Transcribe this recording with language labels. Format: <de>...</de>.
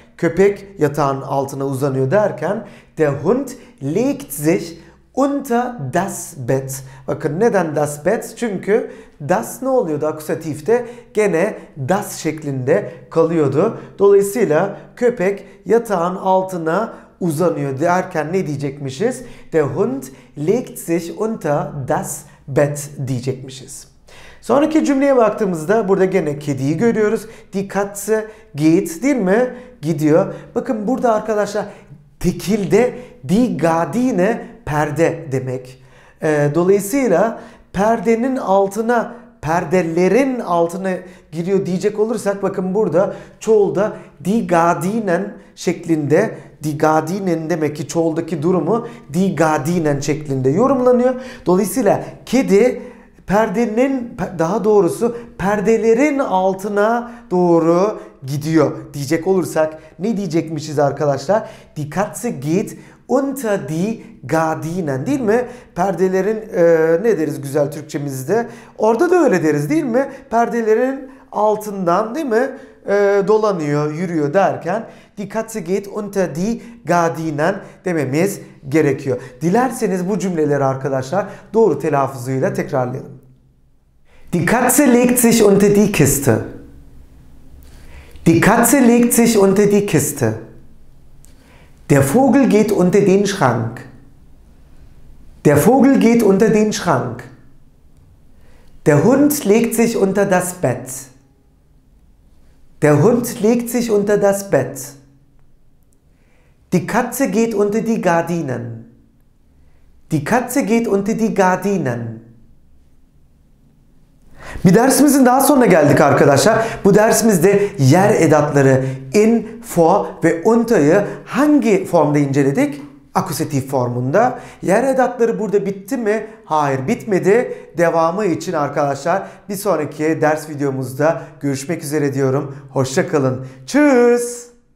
<tr>Köpek yatağın altına uzanıyor derken</tr> <de>der Hund legt sich unter das Bett.</de> <tr>Bakın neden</tr> <de>das Bett?</de> <tr>Çünkü das ne oluyordu akusatifte? Gene das şeklinde kalıyordu. Dolayısıyla köpek yatağın altına uzanıyor derken ne diyecekmişiz?</tr> <de>Der Hund legt sich unter das Bett</de> <tr>diyecekmişiz. Sonraki cümleye baktığımızda burada gene kediyi görüyoruz.</tr> <de>Die Katze geht,</de> <tr>değil mi? Gidiyor. Bakın burada arkadaşlar tekilde</tr> <de>die Gardine</de> <tr>perde demek. Dolayısıyla perdenin altına, perdelerin altına giriyor diyecek olursak bakın burada çoğulda</tr> <de>die Gardinen</de> <tr>şeklinde, die Gardinen demek ki çoğuldaki durumu die Gardinen şeklinde yorumlanıyor. Dolayısıyla kedi perdenin, daha doğrusu perdelerin altına doğru gidiyor diyecek olursak ne diyecekmişiz arkadaşlar?</tr> <de>Die Katze geht unter die Gardinen,</de> <tr>değil mi? Perdelerin, ne deriz güzel Türkçemizde? Orada da öyle deriz, değil mi? Perdelerin altından, değil mi? Dolanıyor, yürüyor derken</tr> <de>die Katze geht unter die Gardinen</de> <tr>dememiz gerekiyor. Dilerseniz bu cümleleri arkadaşlar doğru telaffuzuyla tekrarlayalım.</tr> <de>Die Katze legt sich unter die Kiste. Die Katze legt sich unter die Kiste. Der Vogel geht unter den Schrank. Der Vogel geht unter den Schrank. Der Hund legt sich unter das Bett. Der Hund legt sich unter das Bett. Die Katze geht unter die Gardinen. Die Katze geht unter die Gardinen.</de> <tr>Bir dersimizin daha sonuna geldik arkadaşlar. Bu dersimizde yer edatları in, for ve unter'ı hangi formda inceledik? akusatif formunda. Yer edatları burada bitti mi? Hayır, bitmedi. Devamı için arkadaşlar bir sonraki ders videomuzda görüşmek üzere diyorum. Hoşça kalın.</tr> <de>Tschüss.</de>